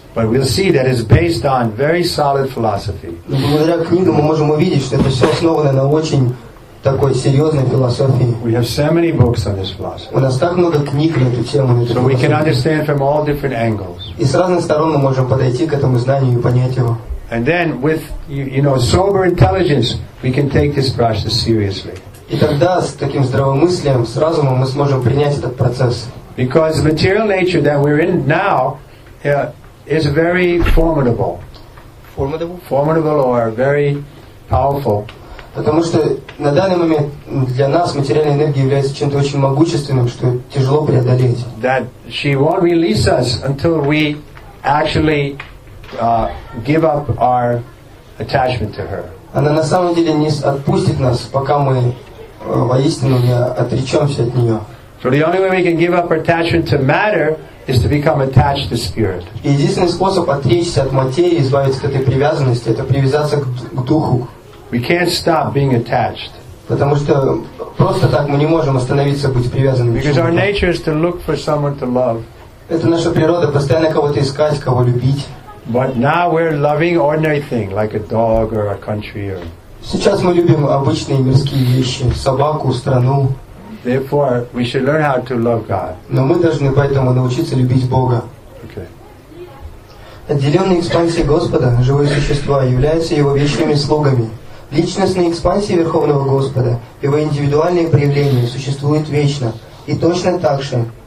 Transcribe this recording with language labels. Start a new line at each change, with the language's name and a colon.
English: But we'll see that it's based on very solid philosophy.
Russian: Но благодаря книгам мы можем увидеть, что это все основано на очень такой серьезной философии.
English: We have so many books on this philosophy.
Russian: У нас так много книг на эту тему.
English: So we can understand from all different angles.
Russian: И с разных сторон мы можем подойти к этому знанию и понять его.
English: And then, with you know, sober intelligence, we can take this process seriously.
Russian: И тогда с таким здравомыслием, с разумом мы сможем принять этот процесс.
English: Because the material nature that we're in now is very formidable. Formidable. Formidable or very powerful.
Russian: Потому что на данный момент для нас материальная энергия является чем-то очень могущественным, что тяжело преодолеть.
English: That she won't release us until we actually. Give up our attachment to her.
Russian: Она на самом деле не отпустит нас, пока мы воистину не отречемся от нее.
English: So the only way we can give up our attachment to matter is to become attached to spirit.
Russian: Единственный способ отречься от материи, избавиться от этой привязанности, это привязаться к духу.
English: We can't stop being attached.
Russian: Потому что просто так мы не можем остановиться быть привязанными.
English: Because our nature is to look for someone to love.
Russian: Это наша природа постоянно кого-то искать, кого любить.
English: But now we're loving ordinary things like a dog or a country. Or...
Russian: Сейчас мы любим обычные мирские вещи, собаку, страну.
English: Therefore, we should learn how to love God.
Russian: Но мы должны поэтому научиться любить Бога.
English: Okay.
Russian: Отделенные экспансии Господа, живые существа, являются Его вечными слугами. Личностные экспансии Верховного Господа, Его индивидуальные проявления существуют вечно и точно так же.